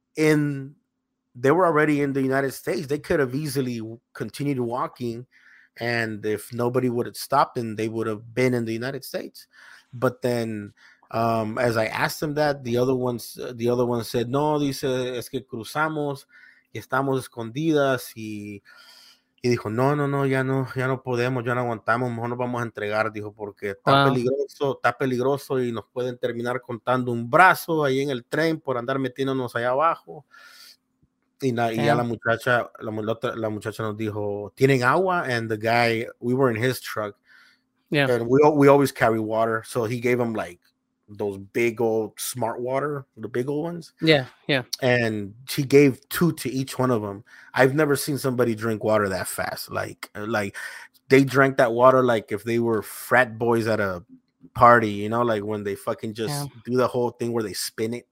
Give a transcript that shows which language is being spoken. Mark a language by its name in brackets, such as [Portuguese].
[English] in, they were already in the United States. They could have easily continued walking, and if nobody would have stopped them, they would have been in the United States. But then, as I asked them that, the other one said, [Spanish] "No, dice es que cruzamos y estamos escondidas y." Y dijo, no, ya no podemos, ya no aguantamos, mejor nos vamos a entregar, dijo, porque está peligroso, está peligroso y nos pueden terminar contando un brazo ahí en el tren por andar metiéndonos allá abajo. Y ya la muchacha nos dijo, ¿tienen agua? [English] And the guy, we were in his truck. Yeah. And we always carry water. So he gave them like those big old smart water, the big old ones. Yeah, yeah. And she gave two to each one of them. I've never seen somebody drink water that fast. Like they drank that water like if they were frat boys at a party, you know, like when they fucking just do the whole thing where they spin it.